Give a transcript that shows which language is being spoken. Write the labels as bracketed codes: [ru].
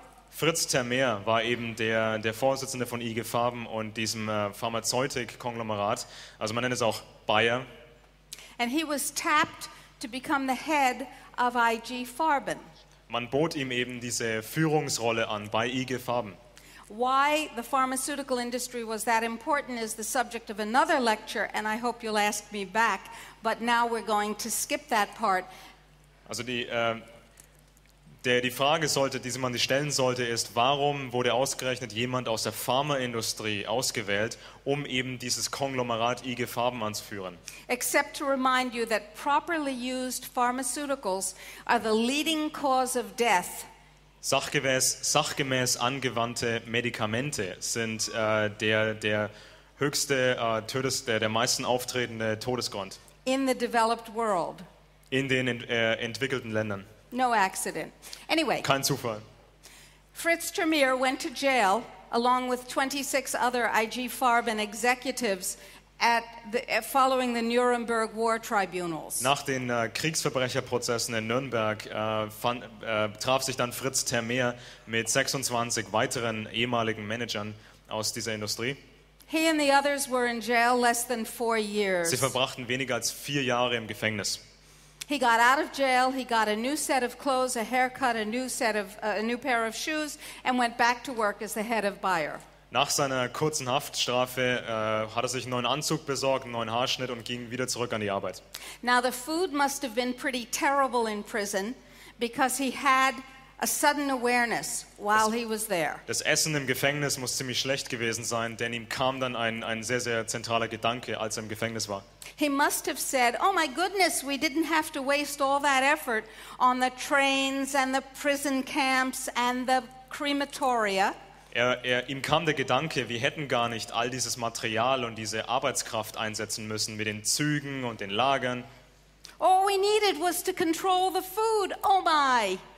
[de] Fritz Termeer war eben der Vorsitzende von IG Farben und diesem Pharmazeutik-Konglomerat. Also man nennt es auch Bayer. [en] And he was tapped to become the head of IG Farben. [de] Man bot ihm eben diese Führungsrolle an bei IG Farben. [en] Why the pharmaceutical industry was that important is the subject of another lecture, and I hope you'll ask me back, but now we're going to skip that part. [de] Also die Frage sollte, die man sich stellen sollte, ist, warum wurde ausgerechnet jemand aus der Pharmaindustrie ausgewählt, um eben dieses Konglomerat IG Farben anzuführen? [en] Except to remind you that properly used pharmaceuticals are the leading cause of death. [de] Sachgemäß angewandte Medikamente sind der meisten auftretende Todesgrund. [en] In the developed world. [de] In den entwickelten Ländern. [en] No accident. Anyway, [de] kein Zufall. [en] Fritz Termeer went to jail along with 26 other IG Farben executives following the Nuremberg War Tribunals. [de] Nach den Kriegsverbrecherprozessen in Nürnberg traf sich dann Fritz Termeer mit 26 weiteren ehemaligen Managern aus dieser Industrie. [en] He and the others were in jail less than 4 years. [de] Sie verbrachten weniger als 4 Jahre im Gefängnis. [en] He got out of jail, he got a new set of clothes, a haircut, a new pair of shoes, and went back to work as the head of Bayer. [de] Nach seiner kurzen Haftstrafe hat er sich einen neuen Anzug besorgt, einen neuen Haarschnitt und ging wieder zurück an die Arbeit. [en] Now the food must have been pretty terrible in prison, because he had a sudden awareness while he was there. [de] Das Essen im Gefängnis muss ziemlich schlecht gewesen sein, denn ihm kam dann ein sehr, sehr zentraler Gedanke, als er im Gefängnis war. [en] He must have said, oh my goodness, we didn't have to waste all that effort on the trains and the prison camps and the crematoria. [de] Ihm kam der Gedanke, wir hätten gar nicht all dieses Material und diese Arbeitskraft einsetzen müssen mit den Zügen und den Lagern. [en] All we needed was to control the food, oh my.